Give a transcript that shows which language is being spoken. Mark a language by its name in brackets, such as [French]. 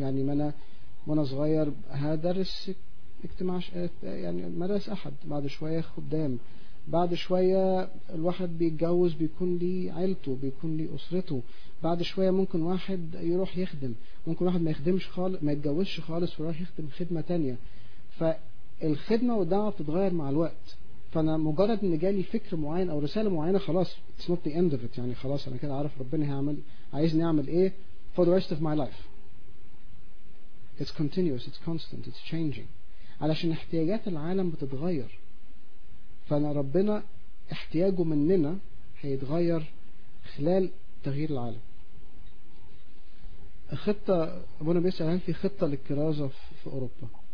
[Arabic] يعني وانا صغير هدرس اجتماع، يعني مدرس أحد، بعد شوية خدام، بعد شوية الواحد بيتجوز بيكون لي عيلته، بيكون لي أسرته، بعد شوية ممكن واحد يروح يخدم، ممكن واحد ما يخدمش خالص، ما يتجوزش خالص ويروح يخدم خدمة تانية. فالخدمة والدعوة بتتغير مع الوقت. فأنا مجرد أن جالي فكر معين أو رسالة معينة، خلاص [English] it's not the end of it. [Arabic] يعني خلاص أنا كده عارف ربنا هيعمل عايزني أعمل إيه [English] for the rest of my life. It's continuous, it's constant, it's changing. [Arabic] علشان احتياجات العالم بتتغير، فأنا ربنا احتياجه مننا هيتغير خلال تغيير العالم. خطة أبونا بيسأل عن في خطة للكرازة في أوروبا.